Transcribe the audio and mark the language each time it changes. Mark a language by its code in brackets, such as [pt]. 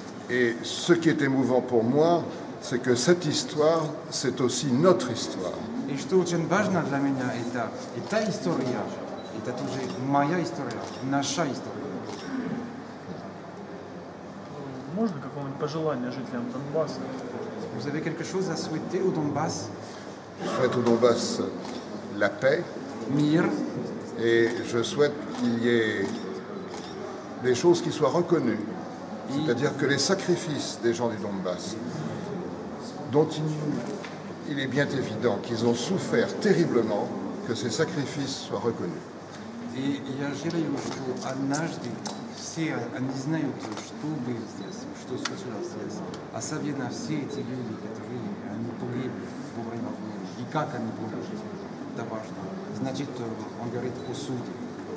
[fr] Et ce qui est émouvant pour moi, c'est que cette histoire, c'est aussi notre histoire. [ru] И что очень важно для меня, это эта история, это тоже моя история, наша история. Можно какое-нибудь пожелание жителям Донбасса? [fr] Vous avez quelque chose à souhaiter au Donbass? Je souhaite au Donbass la paix. [ru] Mir. [fr] Et je souhaite qu'il y ait des choses qui soient reconnues. C'est-à-dire que les sacrifices des gens du Donbass, dont il est bien évident qu'ils ont souffert terriblement, que ces sacrifices soient reconnus. Et il y a Jérémy Annage. [ru] Все они знают, что было здесь, что случилось здесь. Особенно все эти люди, которые они погибли во время войны. И как они погибли, это важно. Значит, он говорит о судьбе.